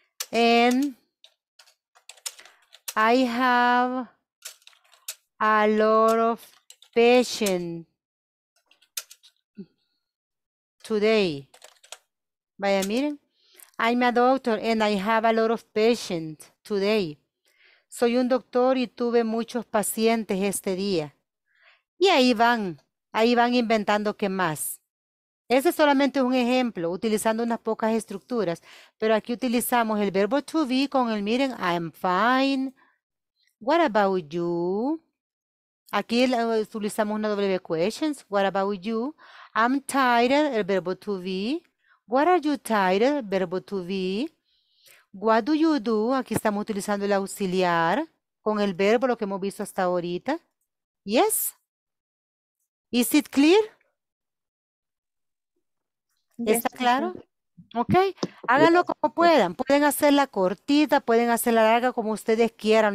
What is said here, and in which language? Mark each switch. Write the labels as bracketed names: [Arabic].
[English] And I have a lot of patients today. [Spanish] Vaya, miren. [English] I'm a doctor and I have a lot of patients today. [Spanish] Soy un doctor y tuve muchos pacientes este día. Y ahí van inventando qué más. Ese solamente es un ejemplo, utilizando unas pocas estructuras. Pero aquí utilizamos el verbo to be con el miren, [English] I'm fine. What about you? [Spanish] Aquí utilizamos una [English] W questions. What about you? I'm tired, [Spanish] el verbo [English] to be. What are you tired, [Spanish] el verbo [English] to be. What do you do? [Spanish] Aquí estamos utilizando el auxiliar con el verbo, lo que hemos visto hasta ahorita. [English] Yes. Is it clear? [Spanish] ¿Está [English] Yes, [Spanish] claro? [English] teacher. [Spanish] Ok. Háganlo como puedan. Pueden hacerla cortita, pueden hacerla larga, como ustedes quieran.